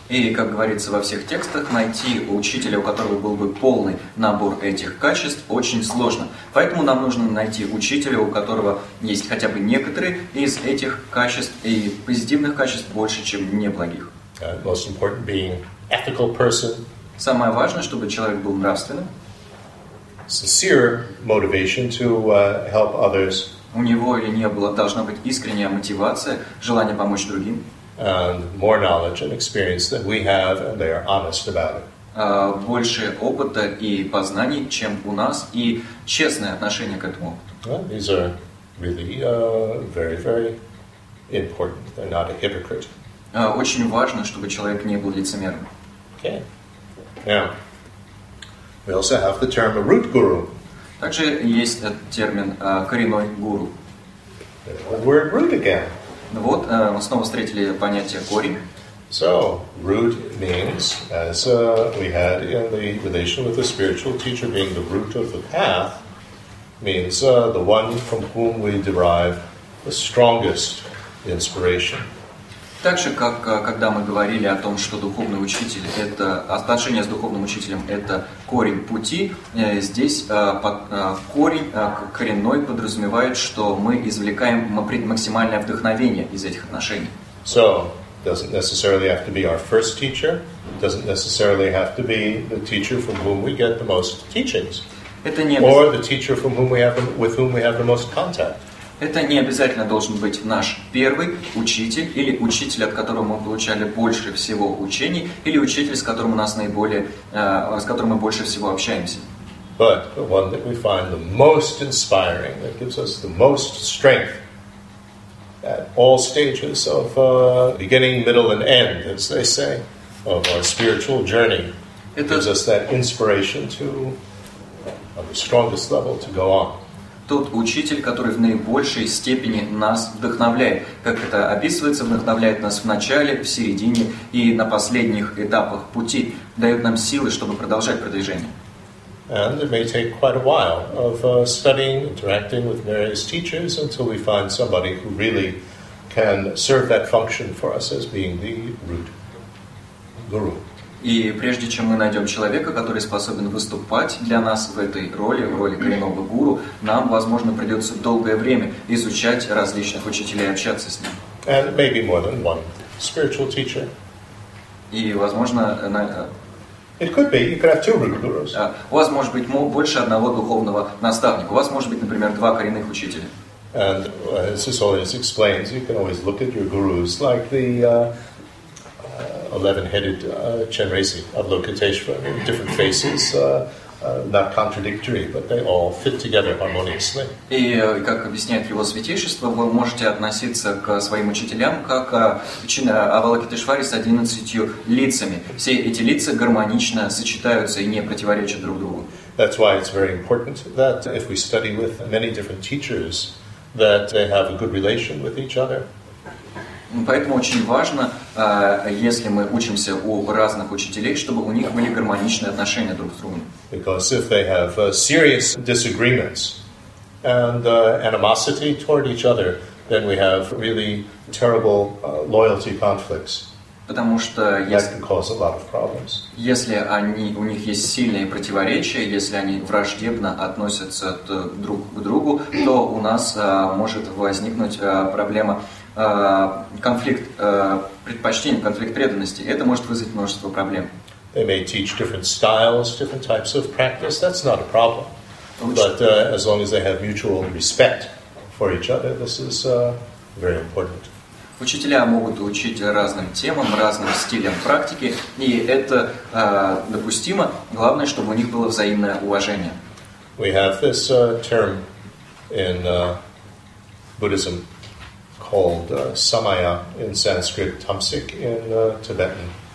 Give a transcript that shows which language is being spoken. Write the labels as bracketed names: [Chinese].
[Russian] И, как говорится во всех текстах, найти учителя, у которого был бы полный набор этих качеств, очень сложно. Поэтому нам нужно найти учителя, у которого есть хотя бы некоторые из этих качеств, и позитивных качеств больше, чем неблагих. [English] Most important being ethical person. [Russian] Самое важное, чтобы человек был нравственным. [English] Sincere motivation to help others. [Russian] У него или не было, должна быть искренняя мотивация, желание помочь другим. [English] And more knowledge and experience than we have, and they are honest about it. [Russian] Больше опыта и познаний, чем у нас, и честное отношение к этому опыту. [English] Well, these are really very, very important. They're not a hypocrite. [Russian] Очень важно, чтобы человек не был лицемерным. [English] Okay. Now, we also have the term a root guru. [Russian] Также есть этот термин коренной гуру. [English] The word root again. [Russian] Вот, мы снова встретили понятие корень. [English] So, root means, as we had in the relation with the spiritual teacher being the root of the path, means the one from whom we derive the strongest inspiration. [Russian] Так же, как когда мы говорили о том, что духовный учитель — это отношение с духовным учителем — это корень пути, здесь коренной подразумевает, что мы извлекаем максимальное вдохновение из этих отношений. [English] So, doesn't necessarily have to be our first teacher, doesn't necessarily have to be the teacher from whom we get the most teachings, or the teacher from whom we have with whom we have the most contact. [Russian] Это не обязательно должен быть наш первый учитель или учитель, от которого мы получали больше всего учений, или учитель, с которым у нас с которым мы больше всего общаемся. [English] But the one that we find the most inspiring, that gives us the most strength at all stages of beginning, middle, and end, as they say, of our spiritual journey, gives us that inspiration to on the strongest level to go on. [Russian] Тот учитель, который в наибольшей степени нас вдохновляет. Как это описывается, вдохновляет нас в начале, в середине и на последних этапах пути. Дает нам силы, чтобы продолжать продвижение. [English] And it may take quite a while of studying, interacting with various teachers until we find somebody who really can serve that function for us as being the root guru. [Russian] И прежде чем мы найдем человека, который способен выступать для нас в этой роли, в роли коренного гуру, нам, возможно, придется долгое время изучать различных учителей и общаться с ним. [English] And maybe more than one spiritual teacher. [Russian] И, возможно, [English] It could be. You could have two root gurus. [Russian] У вас может быть больше одного духовного наставника. У вас может быть, например, два коренных учителя. [English] And as this always explains, you can always look at your gurus like the 11-headed Chenrezig of Lokiteshvara, different faces, not contradictory, but they all fit together harmoniously. [Russian] И как объясняет его святейшество, вы можете относиться к своим учителям как Авалокитешвари с 11 лицами. Все эти лица гармонично сочетаются и не противоречат друг другу. [English] That's why it's very important that if we study with many different teachers, that they have a good relation with each other. [Russian] Поэтому очень важно, если мы учимся у разных учителей, чтобы у них были гармоничные отношения друг с другом. [English] Because if they have serious disagreements and animosity toward each other, then we have really terrible loyalty conflicts. [Russian] Потому что если у них есть сильные противоречия, если они враждебно относятся друг к другу, то у нас может возникнуть проблема конфликт предпочтений, конфликт преданности. Это может вызвать множество проблем. [English] They may teach different styles, different types of practice. That's not a problem. But as long as they have mutual respect for each other, this is very important. [Russian] Учителя могут учить разным темам, разным стилям практики, и это допустимо. Главное, чтобы у них было взаимное уважение. [English] We have this term in Buddhism called samaya in Sanskrit, tamsik in Tibetan.